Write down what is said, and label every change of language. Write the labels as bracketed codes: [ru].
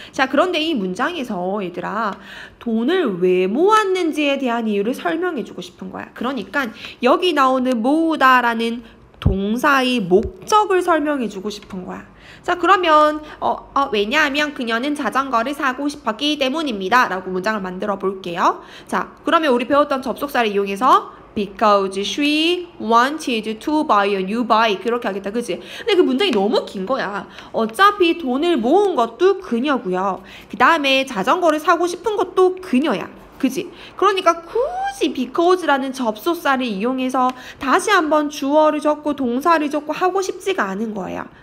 [ko] 자, 그런데 이 문장에서 얘들아, 돈을 왜 모았는지에 대한 이유를 설명해 주고 싶은 거야. 그러니까 여기 나오는 모으다 라는 동사의 목적을 설명해 주고 싶은 거야. 자, 그러면 왜냐하면 그녀는 자전거를 사고 싶었기 때문입니다 라고 문장을 만들어 볼게요. 자, 그러면 우리 배웠던 접속사를 이용해서 [en] Because she wanted to buy a new bike. [ko] 그렇게 하겠다. 그치? 근데 그 문장이 너무 긴 거야. 어차피 돈을 모은 것도 그녀고요. 그 다음에 자전거를 사고 싶은 것도 그녀야. 그치? 그러니까 굳이 because라는 접속사를 이용해서 다시 한번 주어를 적고 동사를 적고 하고 싶지가 않은 거예요.